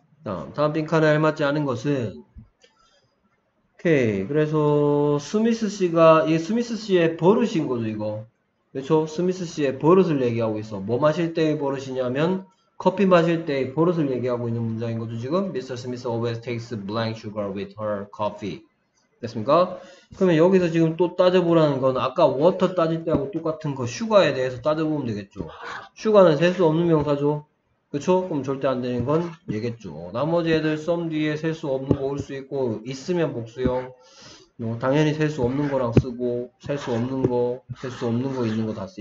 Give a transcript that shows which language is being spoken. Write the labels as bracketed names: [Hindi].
[Korean] 다음 빈칸에 알맞지 않은 것은 오케이. 그래서 스미스 씨가 이 스미스 씨의 버릇인 거죠, 이거. 그렇죠? 스미스 씨의 버릇을 얘기하고 있어. 뭐 마실 때의 버릇이냐면 커피 마실 때의 버릇을 얘기하고 있는 문장인 거죠, 지금. [English] Mr. Smith always takes blank sugar with her coffee. [Korean] 됐습니까? 그러면 여기서 지금 또 따져보라는 건 아까 워터 따질 때하고 똑같은 거 슈가에 대해서 따져보면 되겠죠. 슈가는 셀수 없는 명사죠. 그쵸? 그럼 절대 안 되는 건 얘겠죠. 나머지 애들 썸 뒤에 셀수 없는 거올수 있고, 있으면 복수형. 뭐 당연히 셀수 없는 거랑 쓰고, 셀수 없는 거, 셀수 없는 거 있는 거다 써.